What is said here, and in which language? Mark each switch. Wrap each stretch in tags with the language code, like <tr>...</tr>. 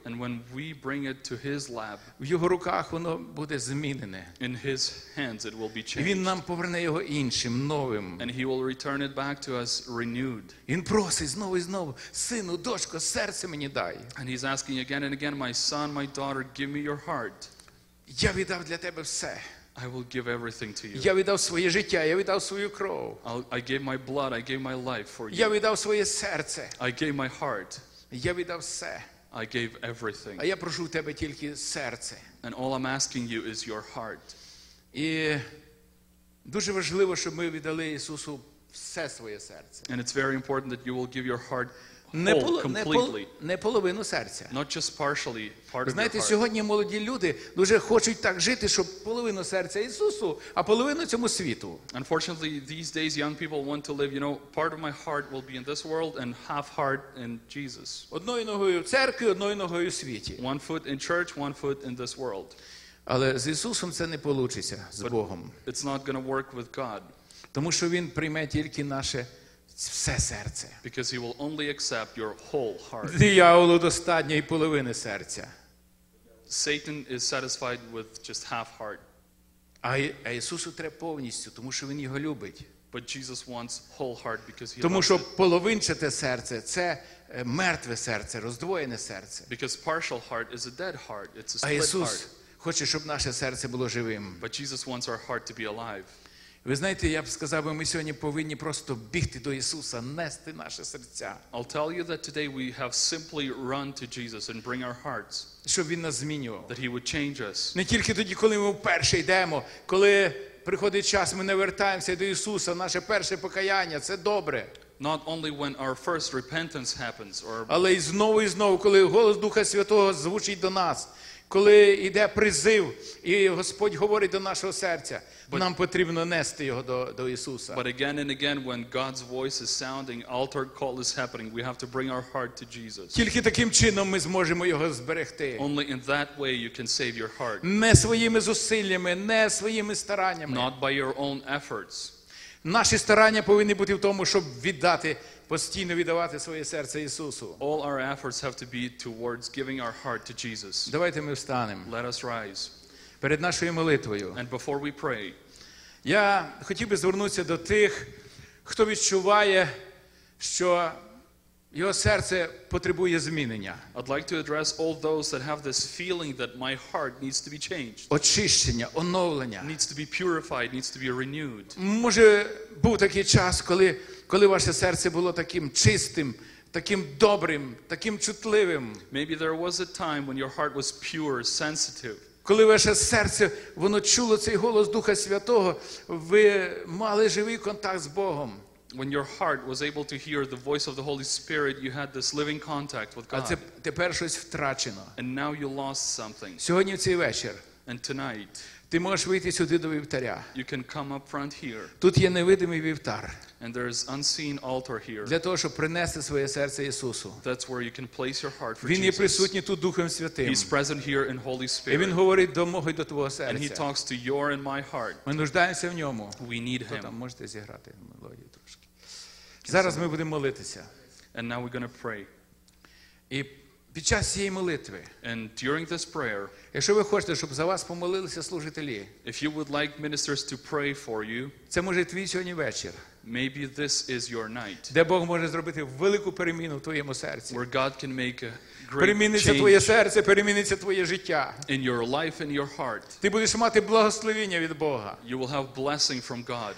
<en>and when we bring it to his lab,</en> <uk>в його руках воно буде змінене.</uk> <en>In his hands it will be changed.</en> <uk>І він нам поверне його іншим, новим.</uk> <en>And he will return it back to us renewed.</en> <uk>Він просить знову і знову: "Сину, дочко, серце мені дай."</uk> <en>And he's asking again and again, "My son, my daughter, give me your heart."</en> <uk>Я віддав для тебе все.</uk> <en>I will give everything to you.</en> <uk>Я віддав своє життя, я віддав свою кров.</uk> <en>I gave my blood, I gave my life for you.</en> <uk>Я віддав своє серце.</uk> <en>I gave my heart.</en> <uk>Я віддав все.</uk> <en>I gave everything.</en> <uk>А я прошу у тебе тільки серце.</uk> <en>And all I'm asking you is your heart.</en> <uk>І дуже важливо, щоб ми віддали Ісусу все своє серце.</uk> <en>And it's very important that you will give your heart whole, completely.</en> <uk>Не половину серця.</uk> <en>Not just partially, part.</en> <uk>Знаєте, сьогодні молоді люди дуже хочуть так жити, щоб половину серця Ісусу, а половину цьому світу.</uk> <en>Unfortunately, these days young people want to live, you know, part of my heart will be in this world and half heart in Jesus.</en> <uk>Одною ногою в церкві, одною ногою в світі.</uk> <en>One foot in church, one foot in this world.</en> <uk>Але з Ісусом це не получиться, з Богом.</uk> <en>It's not going to work with God.</en> <uk>Тому що він прийме тільки наше все серце.</uk> <en>Because he will only accept your whole heart.</en> <uk>Дияволу достатньо і половини серця.</uk> <en>Satan is satisfied with just half heart.</en> <uk>А Ісусу треба повністю, тому що він його любить.</uk> <en>But Jesus wants whole heart because he loves.</en> <uk>Тому що половинчате серце це мертве серце, роздвоєне серце.</uk> <en>Because partial heart is a dead heart, it's a split heart.</en> <uk>А Ісус</uk> <en>heart.</en> <uk>Хоче, щоб наше серце було живим.</uk> <en>But Jesus wants our heart to be alive.</en> <uk>Ви знаєте, я б сказав, ми сьогодні повинні просто бігти до Ісуса, нести наше серця.</uk> <en>I'll tell you that today we have simply run to Jesus and bring our hearts.</en> <uk>Щоб він нас змінював.</uk> <en>That he would change us.</en> <uk>Не тільки тоді, коли ми вперше йдемо, коли приходить час, ми навертаємося до Ісуса, наше перше покаяння, це добре.</uk> <en>Not only when our first repentance happens or.</en> <uk>Але й знову і знову, коли голос Духа Святого звучить до нас. Коли йде призив, і Господь говорить до нашого серця,</uk> <en>but,</en> <uk>нам потрібно нести його до Ісуса.</uk> <en>But again and again, when God's voice is sounding, altar call is happening, we have to bring our heart to Jesus.</en> <uk>Тільки таким чином ми зможемо його зберегти.</uk> <en>Only in that way you can save your heart.</en> <uk>Не своїми зусиллями, не своїми стараннями.</uk> <en>Not by your own efforts.</en> <uk>Наші старання повинні бути в тому, щоб віддати, постійно віддавати своє серце Ісусу.</uk> <en>All our efforts have to be towards giving our heart to Jesus.</en> <uk>Давайте ми встанемо.</uk> <en>Let us rise.</en> <uk>Перед нашою молитвою.</uk> <en>And before we pray.</en> <uk>Я хотів би звернутися до тих, хто відчуває, що його серце потребує змінення.</uk> <en>I'd like to address all those that have this feeling that my heart needs to be changed.</en> <uk>Очищення, оновлення.</uk> <en>Needs to be purified, needs to be renewed.</en> <uk>Може був такий час, коли ваше серце було таким чистим, таким добрим, таким чутливим.</uk> <en>Maybe there was a time when your heart was pure, sensitive.</en> <uk>Коли ваше серце, воно чуло цей голос Духа Святого, ви мали живий контакт з Богом.</uk> <en>When your heart was able to hear the voice of the Holy Spirit, you had this living contact with God.</en> <uk>А це тепер щось втрачено.</uk> <en>And now you lost something.</en> <uk>Сьогодні в цей вечір.</uk> <en>And tonight.</en> <uk>Ти можеш вийти сюди до вівтаря.</uk> <en>You can come up front here.</en> <uk>Тут є невидимий вівтар.</uk> <en>And there is unseen altar here.</en> <uk>Для того, щоб принести своє серце Ісусу.</uk> <en>That's where you can place your heart for</en> <uk>Він Він є присутній тут Духом Святим.</uk> <en>He's present here in Holy Spirit.</en> <uk>І Він говорить до мого і до твого серця.</uk> <en>And he talks to your and my heart.</en> <uk>Ми нуждаємося в ньому.</uk> <en>We need him.</en> <uk>Там можете зіграти мелодію трошки. Зараз ми будемо молитися.</uk> <en>And now we're going to pray.</en> <uk>І під час цієї молитви.</uk> <en>And during this prayer.</en> <uk>Якщо ви хочете, щоб за вас помолилися служителі.</uk> <en>If you would like ministers to pray for you.</en> <uk>Це може твій сьогодні вечір.</uk> <en>Maybe this is your night.</en> <uk>Де Бог може зробити велику переміну в твоєму серці.</uk> <en>Where God can make a great change.</en> <uk>Переміниться твоє серце, переміниться твоє життя.</uk> <en>In your life and your heart.</en> <uk>Ти будеш мати благословення від Бога.</uk> <en>You will have blessing from God.</en>